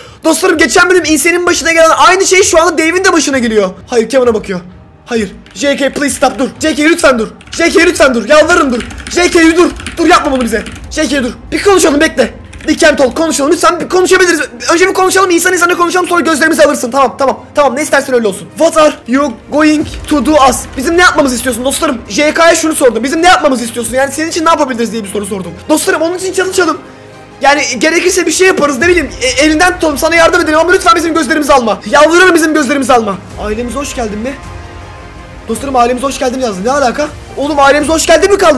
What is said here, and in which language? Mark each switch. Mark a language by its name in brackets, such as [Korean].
[Turkish] Dostlarım, geçen bölüm insanın başına gelen aynı şey şu anda Dave'in de başına geliyor. Hayır, Kevin'e bakıyor. Hayır. JK [English] please stop, [Turkish] dur. JK lütfen dur. JK lütfen dur. Yalvarırım, dur. JK dur. Dur, yapma bunu bize. JK dur. Bir konuşalım, bekle. Bir kent ol, konuşalım. Lütfen bir konuşabiliriz. Önce bir konuşalım, insan insana konuşalım, sonra gözlerimizi alırsın. Tamam, tamam, tamam. Ne istersen öyle olsun. [English] What are you going to do us? [Turkish] Bizim ne yapmamızı istiyorsun dostlarım? JK'ya şunu sordum. Bizim ne yapmamızı istiyorsun? Yani senin için ne yapabiliriz diye bir soru sordum. Dostlarım, onun için çalışalım. Yani gerekirse bir şey yaparız, ne bileyim. Elinden tutalım, sana yardım edelim ama lütfen bizim gözlerimizi alma. Yalvarırım, bizim gözlerimizi alma. Ailemize hoş geldin mi? Dostlarım, ailemize hoş geldin yazdı. Ne alaka? Oğlum, ailemize hoş geldin mi kaldı?